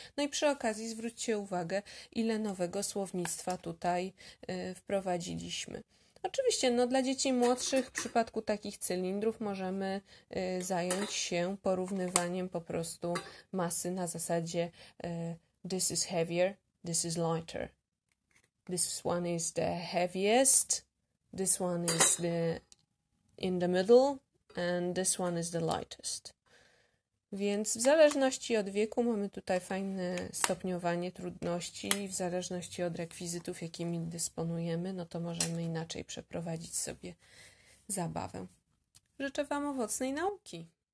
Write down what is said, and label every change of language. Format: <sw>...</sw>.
<pl>No i przy okazji zwróćcie uwagę, ile nowego słownictwa tutaj wprowadziliśmy. Oczywiście, no dla dzieci młodszych w przypadku takich cylindrów możemy zająć się porównywaniem po prostu masy na zasadzie</pl> <en>this is heavier, this is lighter. This one is the heaviest, this one is the in the middle and this one is the lightest.</en> <pl>Więc w zależności od wieku mamy tutaj fajne stopniowanie trudności i w zależności od rekwizytów, jakimi dysponujemy, no to możemy inaczej przeprowadzić sobie zabawę. Życzę wam owocnej nauki!</pl>